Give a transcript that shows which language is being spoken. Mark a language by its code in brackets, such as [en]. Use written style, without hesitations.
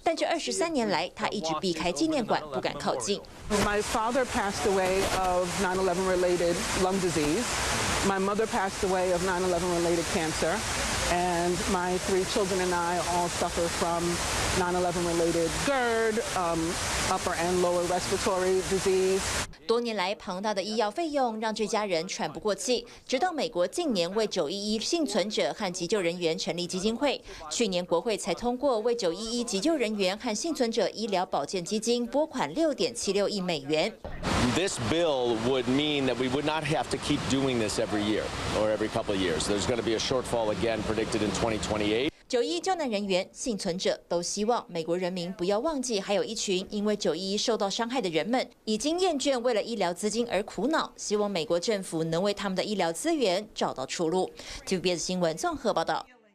[zh] 詹姆斯一家人当时住在距离世贸双子星大楼几个街区远的地方，他现在还是住在附近，但这23年来，他一直避开纪念馆，不敢靠近。 [en] My father passed away of 9/11 related lung disease. My mother passed away of 9/11 related cancer, and my three children and I all suffer from 9/11 related GERD, upper and lower respiratory disease. [zh] 多年来庞大的医药费用让这家人喘不过气，直到美国近年为911幸存者和急救人员成立基金会，去年国会才通过为911急救人员和幸存者医疗保健基金拨款6.76亿美元。 [en] This bill would mean that we would not have to keep doing this every year or every couple of years. There's going to be a shortfall again predicted in 2028. [zh] 911救难人员、幸存者都希望美国人民不要忘记，还有一群因为911受到伤害的人们已经厌倦为了医疗资金而苦恼，希望美国政府能为他们的医疗资源找到出路。TVBS 新闻综合报道。